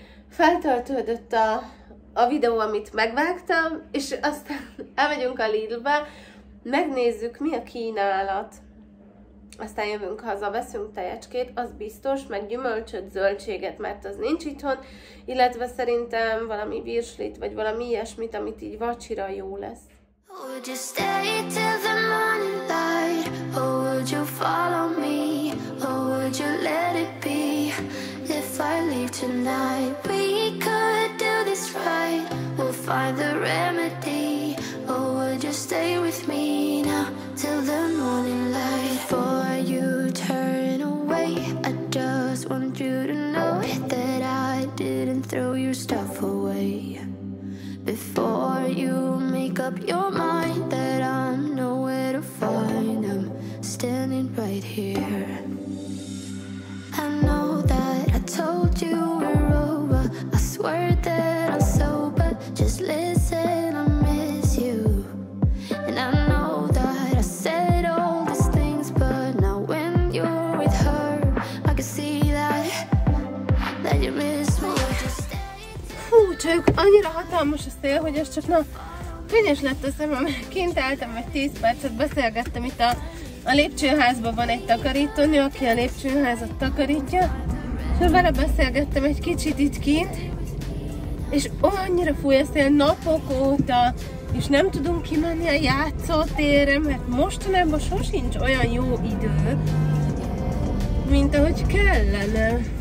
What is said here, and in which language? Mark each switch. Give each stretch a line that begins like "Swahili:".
Hungarian: Feltöltődött a videó, amit megvágtam, és aztán elmegyünk a Lidlbe, megnézzük, mi a kínálat. Aztán jövünk haza, veszünk tejecskét, az biztos, meg gyümölcsöt, zöldséget, mert az nincs itthon, illetve szerintem valami virslit, vagy valami ilyesmit, amit így vacsira jó lesz.
English: Would you stay till the morning light, or would you follow me, or would you let it be, if I leave tonight? We could do this right, we'll find the remedy, or would you stay with me now, till the morning light? Before you turn away, I just want you to know that I didn't throw your stuff away. Before you make up your mind that I'm nowhere to find, I'm standing right here. I know that I told you we're over, I swear that I'm sober, just listen, I miss you. And I know that I said all these things, but now when you're with her, I can see that you miss me.
Hungarian: Csajok, annyira hatalmas a szél, hogy ez csak na, fényes lett a szemem. Kint álltam egy 10 percet, beszélgettem itt a lépcsőházban, van egy takarítónő, aki a lépcsőházat takarítja. És vele beszélgettem egy kicsit itt kint, és annyira fúj a szél napok óta, és nem tudunk kimenni a játszótérre, mert mostanában sosincs olyan jó idő, mint ahogy kellene.